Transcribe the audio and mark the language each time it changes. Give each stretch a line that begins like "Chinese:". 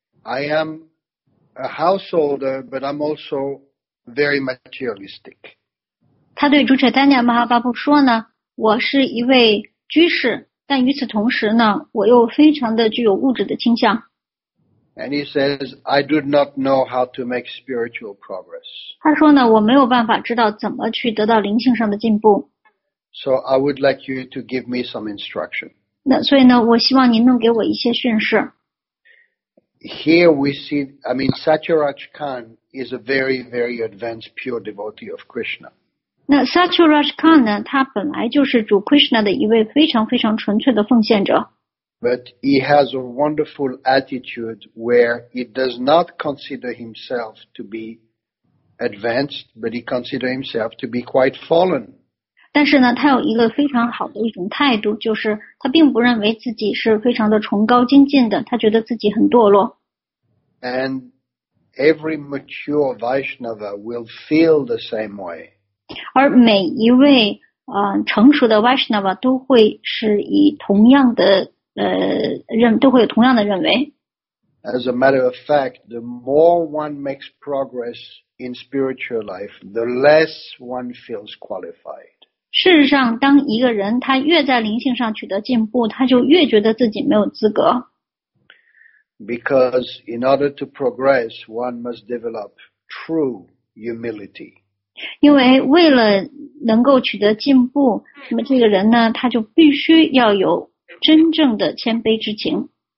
English: I am a householder, but I'm also very materialistic.
Chinese: 他对主 Chaitanya Mahaprabhu 说呢，我是一位居士，但与此同时呢，我又非常的具有物质的倾向。
English: And he says, I do not know how to make spiritual progress.
Chinese: 他说呢，我没有办法知道怎么去得到灵性上的进步。
English: So I would like you to give me some instruction.
Chinese: 那所以呢，我希望您能给我一些训示。
English: Here we see, I mean, Satyaraj Khan is a very, very advanced pure devotee of Krishna.
Chinese: 那 Satyaraj Khan 呢，他本来就是主 Krishna 的一位非常非常纯粹的奉献者。
English: But he has a wonderful attitude where he does not consider himself to be advanced, but he considers himself to be quite fallen.
Chinese: 但是呢，他有一个非常好的一种态度，就是他并不认为自己是非常的崇高精进的，他觉得自己很堕落。
English: And every mature Vaishnava will feel the same way.
Chinese: 而每一位成熟的 Vaishnava 都会是以同样的都会有同样的认为。
English: As a matter of fact, the more one makes progress in spiritual life, the less one feels qualified.
Chinese: 事实上，当一个人他越在灵性上取得进步，他就越觉得自己没有资格。
English: Because in order to progress, one must develop true humility.
Chinese: 因为为了能够取得进步，那么这个人呢，他就必须要有真正的谦卑之情。